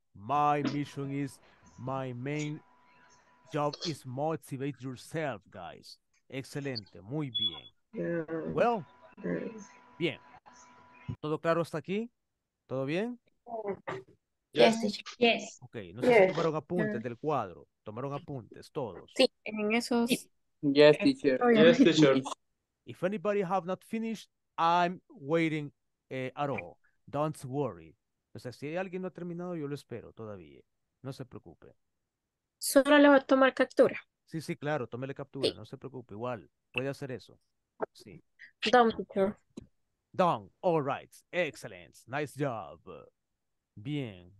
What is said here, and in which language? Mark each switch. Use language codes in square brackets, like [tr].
[en] My mission is my main job is motivate yourself, guys. [es] Excelente, muy bien. [en] Yeah. [es] Well, bien. ¿Todo claro hasta aquí? ¿Todo bien? [en] Yes, teacher. Yes. [es] Ok, no sé si tomaron apuntes del cuadro. Tomaron apuntes todos. Sí, en esos. [en] Yes, teacher. Yes, teacher. If anybody have not finished, I'm waiting at all. Don't worry. [es] O sea, si alguien no ha terminado, yo lo espero todavía. No se preocupe. Solo le va a tomar captura. Sí, sí, claro, tómele captura, sí. No se preocupe. Igual, puede hacer eso. Sí. [en] Don, teacher. Don, all right. Excellent. Nice job. Bien.